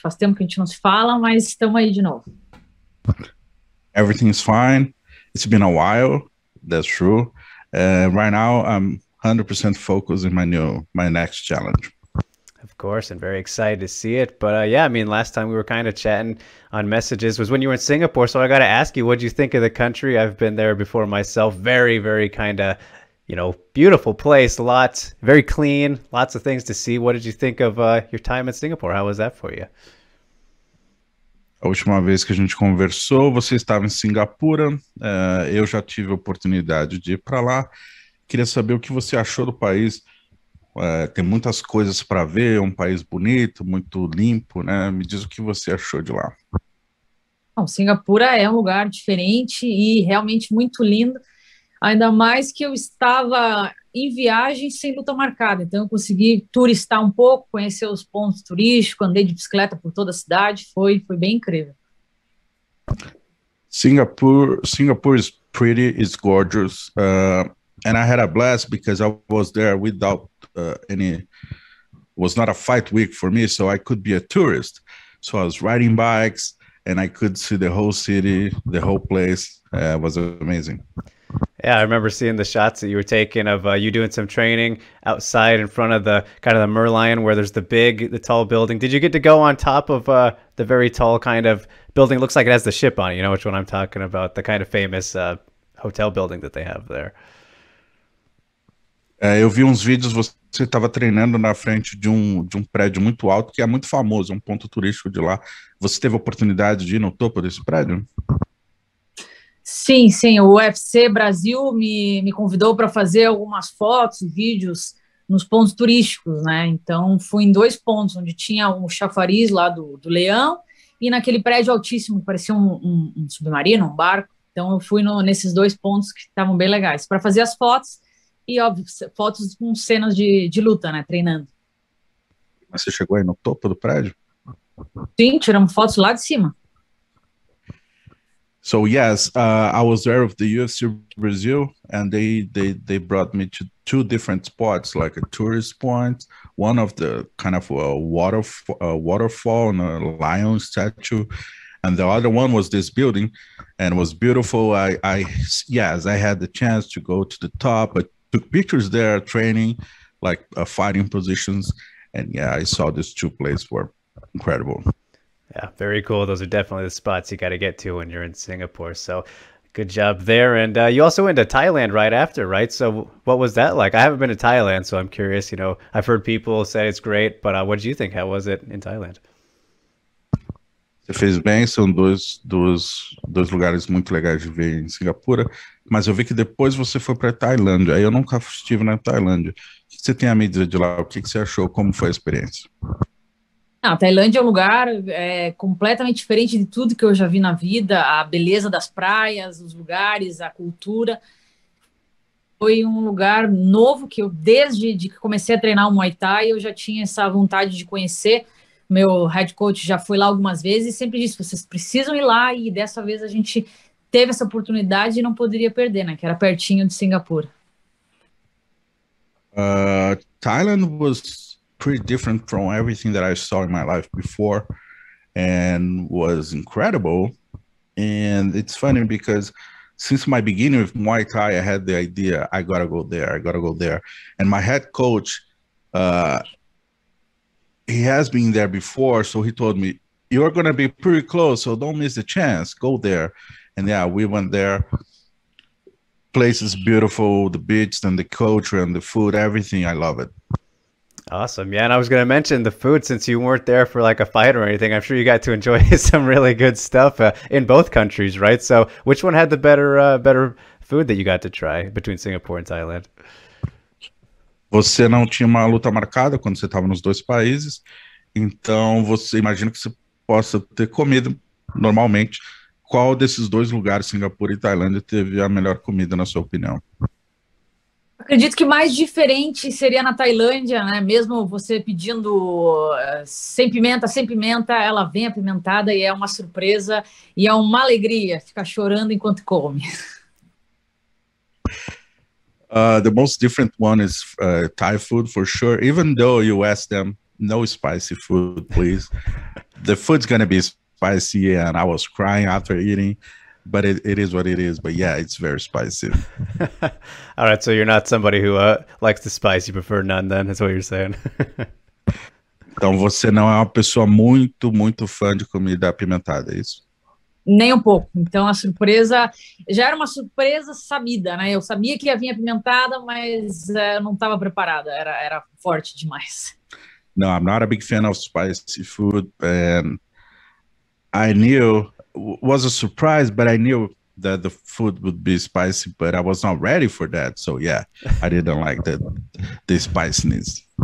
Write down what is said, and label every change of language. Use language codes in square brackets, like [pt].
[pt] Faz tempo que a gente não se fala, mas estamos aí de novo. [en] Everything's fine. It's been a while. That's true. Right now, I'm 100% focused in my next challenge. Of course, and very excited to see it. But yeah, I mean, last time we were kind of chatting on messages was when you were in Singapore. So I got to ask you, what do you think of the country? I've been there before myself. Very, very kind of, beautiful place. Lots, very clean. Lots of things to see. What did you think of your time in Singapore? How was that for you? [pt] A última vez que a gente conversou, você estava em Singapura, eu já tive a oportunidade de ir para lá. Queria saber o que você achou do país. Tem muitas coisas para ver, é um país bonito, muito limpo, né? Me diz o que você achou de lá. Bom, Singapura é um lugar diferente e realmente muito lindo, ainda mais que eu estava em viagem sem luta marcada, então eu consegui turistar um pouco, conhecer os pontos turísticos, andei de bicicleta por toda a cidade, foi bem incrível. [en] Singapore is pretty, it's gorgeous, and I had a blast because I was there without any, was not a fight week for me, so I could be a tourist. So I was riding bikes and I could see the whole city, the whole place. It was amazing. Yeah, I remember seeing the shots that you were taking of you doing some training outside in front of the kind of the Merlion where there's the tall building. Did you get to go on top of the very tall kind of building? Looks like it has the ship on it, which one I'm talking about, the kind of famous hotel building that they have there. [pt] Eu vi uns vídeos, você estava treinando na frente de um prédio muito alto, que é muito famoso, é um ponto turístico de lá. Você teve a oportunidade de ir no topo desse prédio? Sim, o UFC Brasil me convidou para fazer algumas fotos e vídeos nos pontos turísticos, né? Então, fui em dois pontos, onde tinha um chafariz lá do Leão e naquele prédio altíssimo, que parecia um submarino, um barco. Então, eu fui no, nesses dois pontos que estavam bem legais, para fazer as fotos e, óbvio, fotos com cenas de luta, né? Treinando. Mas você chegou aí no topo do prédio? Sim, tiramos fotos lá de cima. [en] So yes, I was there with the UFC Brazil, and they brought me to two different spots, like a tourist point, one of the kind of a waterfall and a lion statue, and the other one was this building, and it was beautiful. Yes, I had the chance to go to the top. I took pictures there, training, like fighting positions. And yeah, I saw these two places were incredible. Yeah, very cool. Those are definitely the spots you got to get to when you're in Singapore. So good job there. And you also went to Thailand right after, right? So what was that like? I haven't been to Thailand, so I'm curious. I've heard people say it's great, but what did you think? How was it in Thailand? [pt] Você fez bem, são dois lugares muito legais de ver em Singapura, mas eu vi que depois você foi para Tailândia. Aí eu nunca estive na Tailândia. O que você tem a me dizer de lá? O que você achou? Como foi a experiência? Não, a Tailândia é um lugar completamente diferente de tudo que eu já vi na vida, a beleza das praias, os lugares, a cultura. Foi um lugar novo que eu, desde de que comecei a treinar o Muay Thai, eu já tinha essa vontade de conhecer. Meu head coach já foi lá algumas vezes e sempre disse: vocês precisam ir lá, e dessa vez a gente teve essa oportunidade e não poderia perder, né? Que era pertinho de Singapura. [en] Thailand was pretty different from everything that I saw in my life before and was incredible. And it's funny because since my beginning with Muay Thai, I had the idea, I gotta go there, I gotta go there. And my head coach, he has been there before, so he told me, you're gonna be pretty close, so don't miss the chance, go there. And yeah, we went there. Place is beautiful, the beach and the culture and the food, everything. I love it. Awesome. Yeah, and I was going to mention the food since you weren't there for like a fight or anything. I'm sure you got to enjoy some really good stuff in both countries, right? So, which one had the better food that you got to try between Singapore and Thailand? [pt] Você não tinha uma luta marcada quando você estava nos dois países, então você imagina que você possa ter comido normalmente qual desses dois lugares, Singapura e Tailândia, teve a melhor comida, na sua opinião? Acredito que mais diferente seria na Tailândia, né? Mesmo você pedindo sem pimenta, ela vem apimentada e é uma surpresa e é uma alegria ficar chorando enquanto come. [en] The most different one is Thai food, for sure. Even though you ask them, no spicy food, please. The food's gonna be spicy, and I was crying after eating. But it is what it is. But yeah, it's very spicy. All right, so you're not somebody who likes the spice. You prefer none, then, is what you're saying. [pt] Então você não é uma pessoa muito, muito fã de comida apimentada, é isso? Nem um pouco. Então a surpresa já era uma surpresa sabida, né? Eu sabia que ia vir apimentada, mas eu não estava preparada. Era forte demais. [en] No, I'm not a big fan of spicy food, and I knew it was a surprise, but I knew that the food would be spicy, but I was not ready for that. So yeah, I didn't like the spiciness.